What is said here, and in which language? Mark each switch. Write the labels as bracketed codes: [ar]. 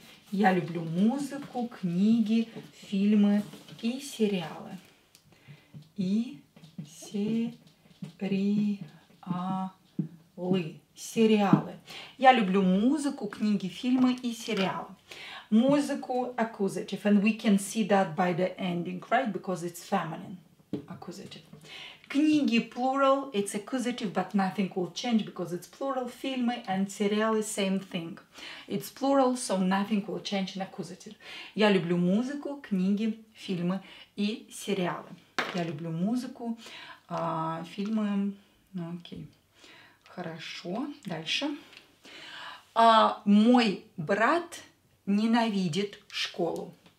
[ru] Я люблю музыку, книги, фильмы и сериалы. И сериалы. Сериалы. Я люблю музыку, книги, фильмы и сериалы. Музыку accusative. [en] And we can see that by the ending, right? Because it's feminine accusative. Книги plural. It's accusative, but nothing will change because it's plural. Фильмы and сериалы same thing. It's plural, so nothing will change in accusative. [ru] Я люблю музыку, книги, фильмы и сериалы. Я люблю музыку, фильмы... Ну, окей. Хорошо, дальше. Мой брат ненавидит школу.